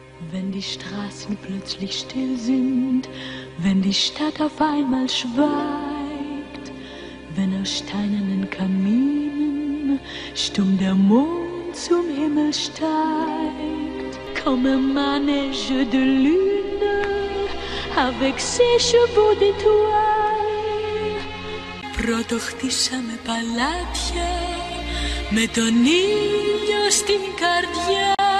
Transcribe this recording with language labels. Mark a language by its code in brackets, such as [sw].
[de] Wenn die Straßen plötzlich still sind, wenn die Stadt auf einmal schweigt, wenn aus steinernen Kaminen stumm der Mond zum Himmel steigt. [fr] Comme un manège de lune, avec ses chevaux d'étoiles. [el] Πρώτο χτίσαμε παλάτια, με τον ήλιο στην καρδιά.